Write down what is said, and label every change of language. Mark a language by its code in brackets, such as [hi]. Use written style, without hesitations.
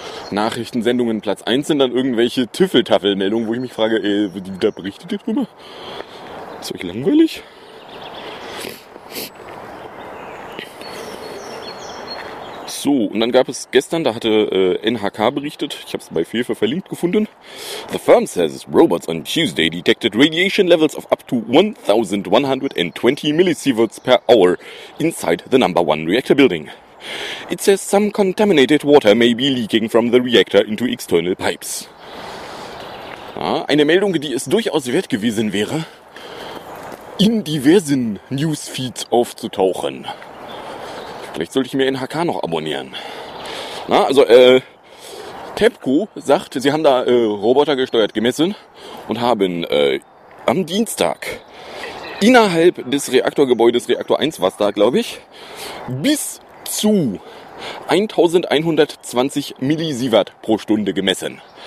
[de] Nachrichtensendungen Platz 1 sind dann irgendwelche Tüffeltafelmeldungen, wo ich mich frage, ey, da berichtet ihr drüber? Ist euch langweilig? So, und dann gab es gestern, da hatte NHK berichtet, ich habe es bei Fefe verlinkt gefunden. [en] The firm says robots on Tuesday detected radiation levels of up to 1,120 millisieverts per hour inside the number one reactor building. It says some contaminated water may be leaking from the reactor into external pipes. [de] Ja, eine Meldung, die es durchaus wert gewesen wäre, in diversen Newsfeeds aufzutauchen. Vielleicht sollte ich mir NHK noch abonnieren. Na, also, TEPCO sagt, sie haben da Roboter gesteuert gemessen und haben am Dienstag innerhalb des Reaktorgebäudes, Reaktor 1 war es da, glaube ich, bis zu 1120 Millisievert pro Stunde gemessen.